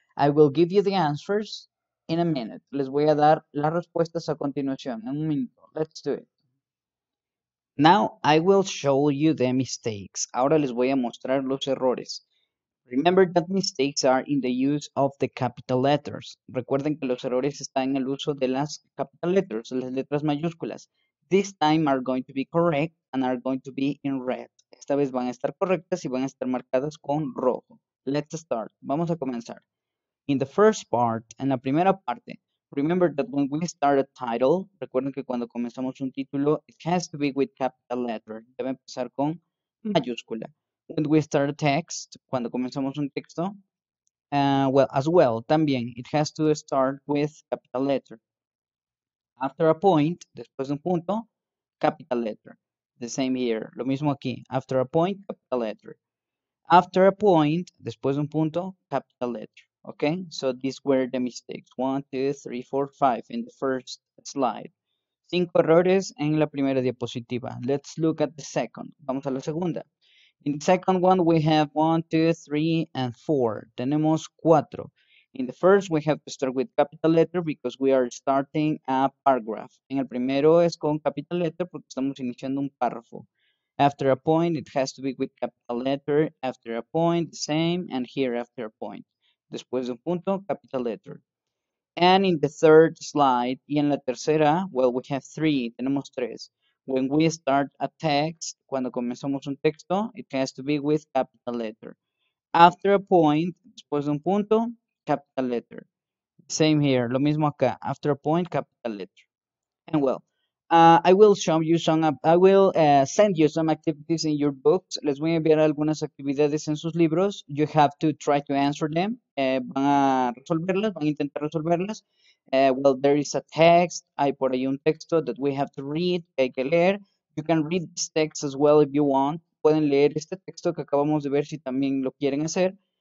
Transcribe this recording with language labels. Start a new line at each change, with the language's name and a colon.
English: I will give you the answers in a minute.
Spanish: Les voy a dar las respuestas a continuación, en un minuto.
English: Let's do it. Now, I will show you the mistakes.
Spanish: Ahora les voy a mostrar los errores.
English: Remember that mistakes are in the use of the capital letters.
Spanish: Recuerden que los errores están en el uso de las capital letters, las letras mayúsculas.
English: This time are going to be correct and are going to be in red.
Spanish: Esta vez van a estar correctas y van a estar marcadas con rojo.
English: Let's start.
Spanish: Vamos a comenzar.
English: In the first part,
Spanish: en la primera parte,
English: remember that when we start a title,
Spanish: recuerden que cuando comenzamos un título,
English: it has to be with capital letter.
Spanish: Debe empezar con mayúscula.
English: When we start a text,
Spanish: cuando comenzamos un texto, también,
English: it has to start with capital letter. After a point,
Spanish: después de un punto,
English: capital letter. The same here.
Spanish: Lo mismo aquí.
English: After a point, capital letter. After a point,
Spanish: después de un punto,
English: capital letter. Okay, so these were the mistakes. 1, 2, 3, 4, 5 in the first slide.
Spanish: 5 errores en la primera diapositiva.
English: Let's look at the second.
Spanish: Vamos a la segunda.
English: In the second one, we have 1, 2, 3, and 4.
Spanish: Tenemos 4.
English: In the first, we have to start with capital letter because we are starting a paragraph.
Spanish: En el primero es con capital letter porque estamos iniciando un párrafo.
English: After a point, it has to be with capital letter. After a point, the same. And here, after a point.
Spanish: Después de un punto,
English: capital letter. And in the third slide,
Spanish: y en la tercera,
English: well, we have 3,
Spanish: tenemos 3.
English: When we start a text,
Spanish: cuando comenzamos un texto,
English: it has to be with capital letter. After a point,
Spanish: después de un punto,
English: capital letter. Same here,
Spanish: lo mismo acá,
English: after a point, capital letter. And well, send you some activities in your books.
Spanish: Les voy a enviar algunas actividades en sus libros.
English: You have to try to answer them.
Spanish: Van a resolverlas, van a intentar resolverlas.
English: Well, there is a text.
Spanish: Hay por ahí un texto
English: that we have to read,
Spanish: que hay que leer.
English: You can read this text as well if you want.
Spanish: Pueden leer este texto que acabamos de ver si también lo quieren hacer.